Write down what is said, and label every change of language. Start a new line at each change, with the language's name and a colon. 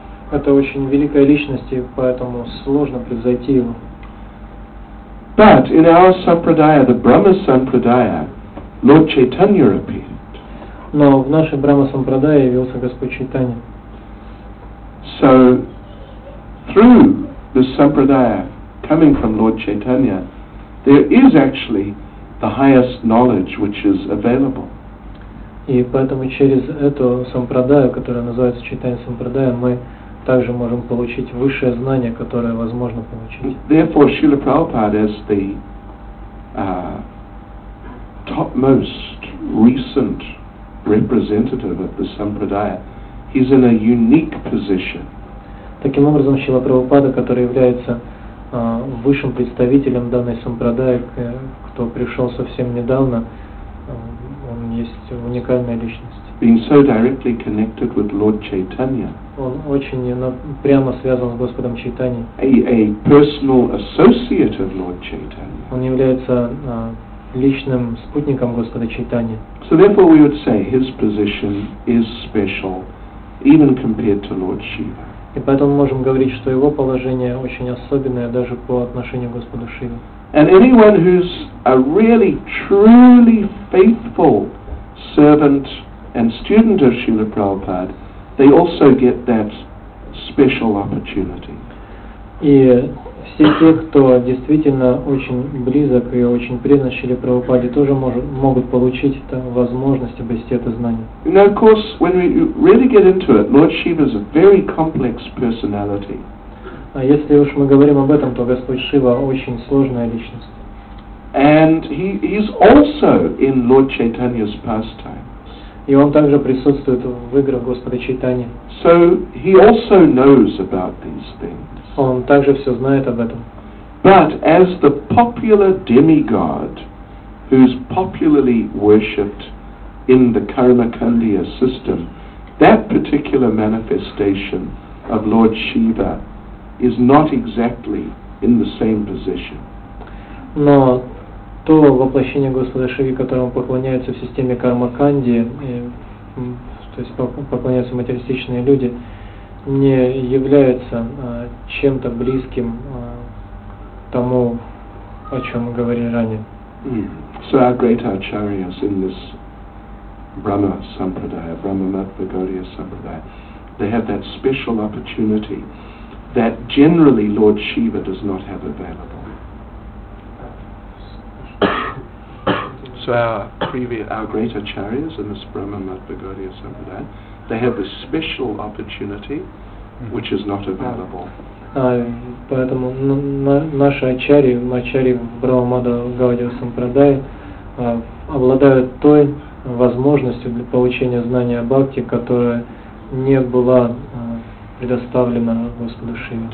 Russian: Это очень великая личность, и поэтому сложно превзойти его.
English: But in our sampradaya, the Brahma sampradaya, Lord Chaitanya appeared.
Russian: Но в нашей Брахма сампрадае явился Господь Чайтанья.
English: So through the sampradaya coming from Lord Chaitanya, there is actually the highest knowledge which is available.
Russian: И поэтому через эту сампрадаю, которая называется Чайтанья сампрадая, мы также можем получить высшее знание, которое возможно получить.
English: Therefore, Srila Prabhupada as the topmost recent representative of the sampradaya, he's in a unique position.
Russian: Таким образом, Шрила Прабхупада, который является высшим представителем данной сампрадаи, кто пришел совсем недавно, он есть уникальная личность.
English: Being so directly connected with Lord Chaitanya.
Russian: Он очень прямо связан с Господом Чайтаньей.
English: A personal associate of Lord Chaitanya.
Russian: Он является личным спутником Господа Чайтаньи.
English: So therefore we would say his position is special, even compared to Lord Shiva.
Russian: И поэтому можем говорить, что его положение очень особенное даже по отношению к Господу Шиве.
English: And anyone who's a really, truly faithful servant and student of Srila Prabhupada, they also get that special opportunity.
Russian: И все те, кто действительно очень близок и очень признан Шриле Прабхупаде, тоже могут получить эту возможность обрести это знание.
English: Now, of course, when we really get into it, Lord Shiva is a very complex personality.
Russian: А если уж мы говорим об этом, то Господь Шива очень сложная личность.
English: And he is also in Lord Chaitanya's pastime.
Russian: И он также присутствует в играх Господа Чайтаньи.
English: So he also knows about these things.
Russian: Он также все знает об этом.
English: But as the popular demigod, who's popularly worshipped in the Karmakandiya system, that particular manifestation of Lord Shiva is not exactly in the same position.
Russian: Но то воплощение Господа Шиви, которому поклоняются в системе Кармаканди, то есть поклоняются материалистичные люди, не является чем-то близким тому, о чем мы говорили ранее.
English: So our great acharyas in this Brahma Sampradaya, Brahma Madhvagaurya Sampradaya, they have that special opportunity that generally Lord Shiva does not have available. So our great acharyas in this Brahma Madhvagaurya Sampradaya, they have a special opportunity which is not available.
Russian: Поэтому наши ачарьи, ачарьи Брахма Мадхва-Гаудия Сампрадая, обладают той возможностью для получения знания бхакти, которая не была предоставлена Господу Шиве.